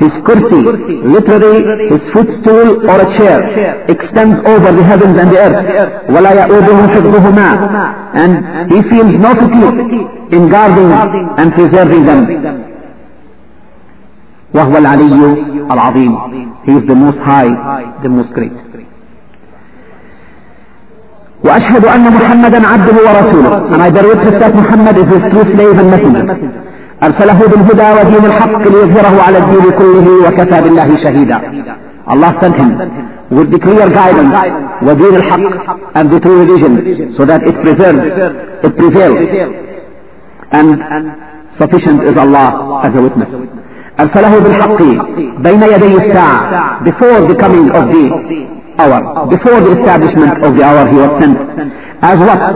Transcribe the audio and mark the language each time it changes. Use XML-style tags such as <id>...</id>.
<en>His kursi, literally His footstool or a chair, extends over the heavens and the earth.</en> <ar>وَلَا يَعُوبُهُ حِفْظُهُمَا.</ar> <en>And He feels no fatigue in guarding and preserving them.</en> <ar>وهو العلي العظيم.</ar> <en>He is the most high, the most great.</en> <ar>وأشهد أن محمدا عبده ورسوله.</ar> <en>And I bear witness that Muhammad is his true slave and messenger.</en> <ar>أرسله بالهدى ودين الحق ليظهره على الدين كله وكفى بالله شهيدا.</ar> <en>Allah sent him with the clear guidance,</en> <ar>ودين الحق,</ar> <en>and the true religion, so that it preserves, it prevails. And sufficient is Allah as a witness.</en> <ar>أرسله بالحق بين يدي الساعة,</ar> <en>before the coming of the hour, before the establishment of the hour, He was sent. As what?</en>